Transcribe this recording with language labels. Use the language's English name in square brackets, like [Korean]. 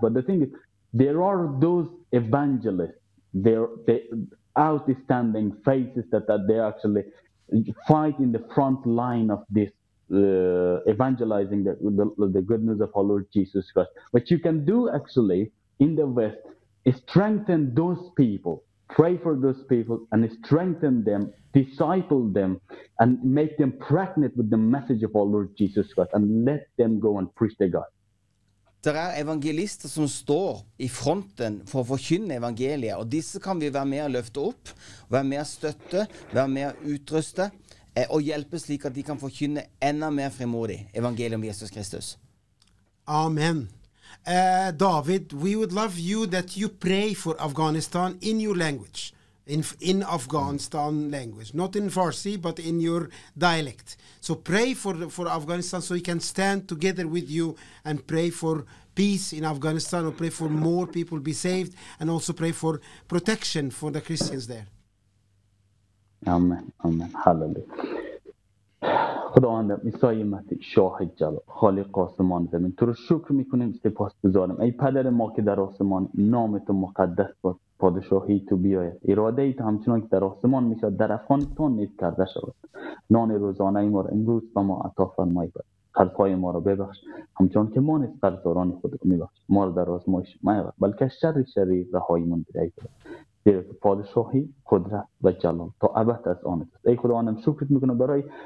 [English] But the thing is, there are those evangelists, the outstanding faces that they actually fight in the front line of this evangelizing the good news of our Lord Jesus Christ. What you can do actually in the West is strengthen those people. Pray for those people and strengthen them, disciple them, and make them pregnant with the message of our Lord Jesus Christ, and let them go and preach the God. [Norwegian] Det evangelister som står i fronten for å forkynne evangeliet, og disse kan vi være med å løfte opp, være med å støtte, være med å utruste, og hjelpe slik at de kan forkynne enda mer frimodig evangeliet om Jesus Kristus. [English] Amen. David, we would love you that you pray for Afghanistan in your language, in Afghanistan language, not in Farsi, but in your dialect. So pray for Afghanistan so we can stand together with you and pray for peace in Afghanistan, or pray for more people be saved, and also pray for protection for the Christians there. Amen. Amen. Hallelujah. [Persian] خداوند عیسی مسیح شاهد جلال خالق آسمان زمین تو رو شکر میکنیم سپاسگزارم ای پدر ما که در آسمان نام تو مقدس باد پادشاهی تو بیاید اراده ای تو همچنان که در آسمان میشود در افغانستان نیز کرده شود نان روزانه ای ما را امروز به ما عطا فرمای بر قرض های ما را ببخش همچنان که ما نیز قرضداران خود را میبخش ما را در آزمایش میبر بلکه شر شریر رهایمان بده ای خداوند زیرا که پادشاهی قدرت و جلال تا ابد از آن است ای خداوندم شکرت میکنم برای